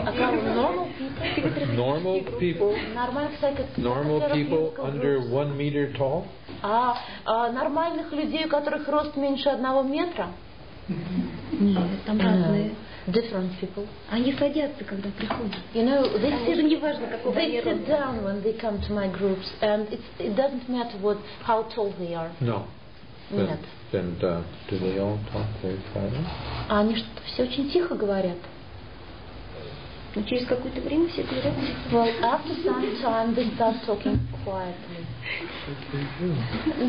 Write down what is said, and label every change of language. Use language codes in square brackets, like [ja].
[ru] А как [en] normal people? Normal people under 1 meter tall? [ru] А нормальных людей, у которых рост меньше 1 метра? Нет, там разные. [en] Different people. [ru] Они садятся, когда приходят. [en] You know, they sit, [ru] даже не важно, какого [en] they sit down when they come to my groups, and it doesn't matter what how tall they are. No. [ru] Нет. [en] And do they all talk very quiet? [ru] Они что-то все очень тихо говорят. Но через какое-то время все говорят. [en] Well, after some time they start talking quietly.